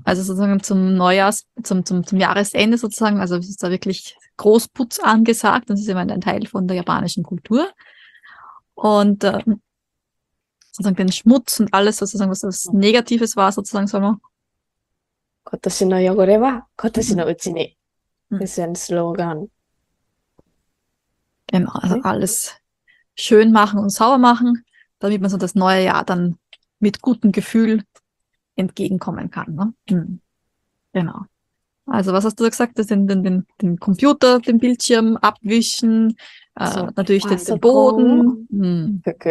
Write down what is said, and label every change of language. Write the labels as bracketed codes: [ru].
[de] Also sozusagen zum Neujahrs, zum Jahresende sozusagen. Also es ist da wirklich Großputz angesagt. Das ist immer ein Teil von der japanischen Kultur. Und sozusagen den Schmutz und alles sozusagen, was das Negatives war sozusagen, soll man. [ja] 今年の汚れは今年のうちに。 [de] Das ist ein Slogan. Genau. Also alles schön machen und sauber machen, damit man so das neue Jahr dann mit gutem Gefühl entgegenkommen kann. Ne? Genau. Also was hast du da gesagt? Das sind den Computer, den Bildschirm abwischen, natürlich den Boden.